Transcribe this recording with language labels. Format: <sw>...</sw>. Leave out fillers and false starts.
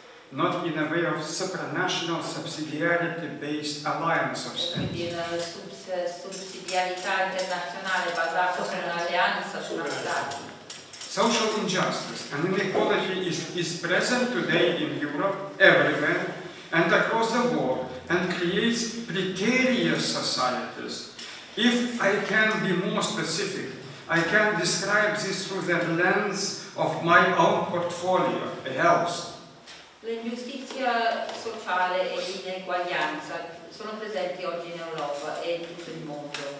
<en>Not in a way of supranational subsidiarity based alliance of states.</en> <it>Quindi una sussidiarietà internazionale basata su un'alleanza su una stati.</it> <en>Social injustice and inequality is present today in Europe, everywhere, and across the world, and creates precarious societies. If I can be more specific, I can describe this through the lens of my own portfolio, health.</en> <it>L'ingiustizia sociale e l'ineguaglianza sono presenti oggi in Europa e in tutto il mondo.</it>